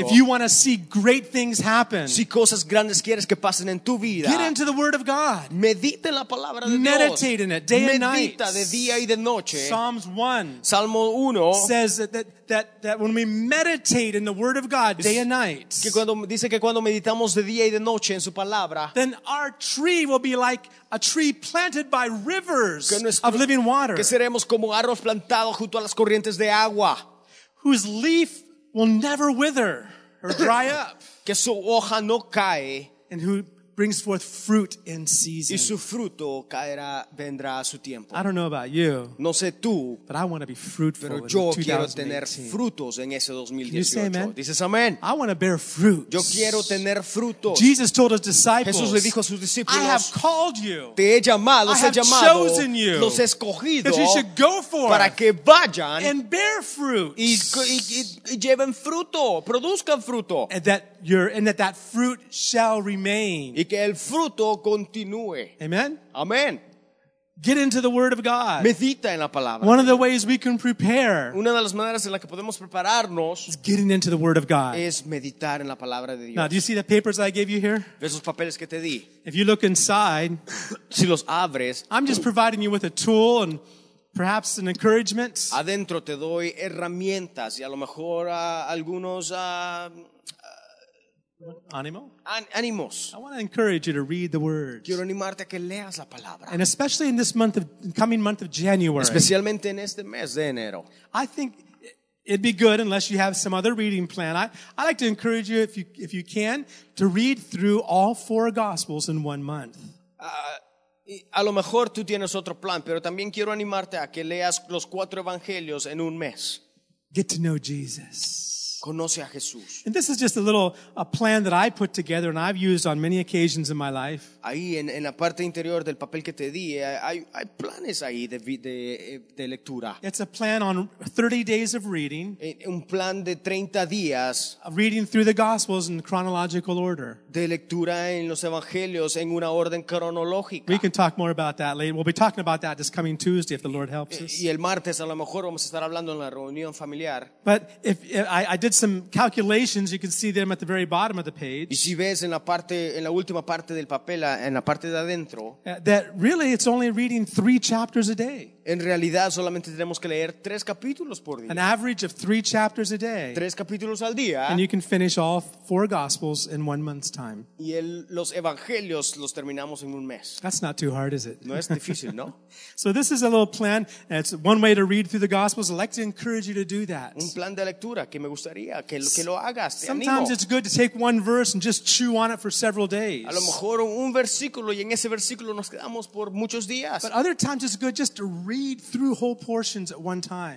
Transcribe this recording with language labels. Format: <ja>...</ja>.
<en>If you want to see great things happen,</en> <es>si cosas grandes quieres que pasen en tu vida,</es> <en>get into the Word of God.</en> <es>Medita en la palabra de</es> <en>Meditate</en> <es>Dios.</es> <en>In it day</en> <es>Medita</es> <en>and night.</en> <es>Medita de día y de noche.</es> <en>Psalms 1,</en> <es>Salmo 1</es> <en>says that when we meditate in the Word of God day and night,</en> <es>que cuando, dice que cuando meditamos de día y de noche en su palabra,</es> <en>then our tree will be like a tree planted by rivers of living water.</en> <es>Que seremos como árboles plantados junto a las corrientes de agua.</es> <en>Whose leaf will never wither or dry up.</en> <es>Que su hoja no cae.</es> <en>And who brings forth fruit in season.</en> <es>Y su fruto caerá, vendrá a su tiempo.</es> <en>I don't know about you.</en> <es>No sé tú.</es> <en>But I want to be fruitful</en> <es>pero yo</es> <en>in 2018.</en> <es>Quiero tener frutos en ese 2018.</es> <en>Can you say amen?</en> <es>Dices amén.</es> <en>I want to bear fruit.</en> <es>Yo quiero tener frutos.</es> <en>Jesus told his disciples.</en> <es>Jesús le dijo a sus discípulos.</es> <en>I have called you.</en> <es>Te he llamado. Los</es> <en>I have</en> <es>he llamado,</es> <en>chosen you.</en> <es>Los he escogido.</es> <en>That you should go for</en> <es>para que vayan.</es> <en>And bear fruit.</en> <es>Y lleven fruto. Produzcan fruto.</es> <en>And that fruit shall remain.</en> <es>Y que el fruto continúe.</es> <en>Amen.</en> <es>Amen.</es> <en>Get into the Word of God.</en> <es>Medita en la palabra.</es> <en>One of the ways we can prepare.</en> <es>Una de las maneras en la que podemos prepararnos.</es> <en>Is getting into the Word of God.</en> <es>Es meditar en la palabra de Dios.</es> <en>Now, do you see the papers I gave you here?</en> <es>¿Ves los papeles que te di?</es> <en>If you look inside.</en> <es>Si los abres.</es> <en>I'm just providing you with a tool and perhaps an encouragement.</en> <es>Adentro te doy herramientas y a lo mejor algunos. Ánimos.</es> <en>I want to encourage you to read the words.</en> <es>Quiero animarte a que leas la palabra.</es> <en>And especially in this month of coming month of January.</en> <es>Especialmente en este mes de enero.</es> <en>I think it'd be good unless you have some other reading plan. I like to encourage you if you can to read through all four gospels in one month.</en> <es>A lo mejor tú tienes otro plan, pero también quiero animarte a que leas los cuatro evangelios en un mes.</es> <en>Get to know Jesus.</en> <es>Conoce a Jesús.</es> <en>And this is just a little plan that I put together and I've used on many occasions in my life.</en> <es>Ahí en la parte interior del papel que te di, hay planes ahí de lectura.</es> <en>It's a plan on 30 days of reading.</en> <es>Un plan de 30 días.</es> <en>Of reading through the Gospels in chronological order.</en> <es>De lectura en los Evangelios en una orden cronológica.</es> <en>We can talk more about that later. We'll be talking about that this coming Tuesday if the Lord helps us.</en> <es>Y el martes a lo mejor vamos a estar hablando en la reunión familiar.</es> <en>But if I did did some calculations. You can see them at the very bottom of the page.</en> <es>Y si ves en la parte, en la última parte del papel, en la parte de adentro,</es> <en>that really it's only reading 3 chapters a day.</en> <es>En realidad solamente tenemos que leer 3 capítulos por día.</es> <en>An average of 3 chapters a day.</en> <es>3 capítulos al día.</es> <en>And you can finish all 4 gospels in 1 month's time.</en> <es>Y el, los evangelios los terminamos en un mes.</es> <en>That's not too hard, is it?</en> <es>No es difícil, ¿no?</es> <en>So this is a little plan. It's one way to read through the gospels. I'd like to encourage you to do that.</en> <es>Un plan de lectura que me gustaría que lo hagas. Te</es> <en>sometimes</en> <es>animo.</es> <en>It's good to take one verse and just chew on it for several days.</en> <es>A lo mejor un versículo y en ese versículo nos quedamos por muchos días.</es> <en>But other times it's good just to read through whole portions at one time.</en>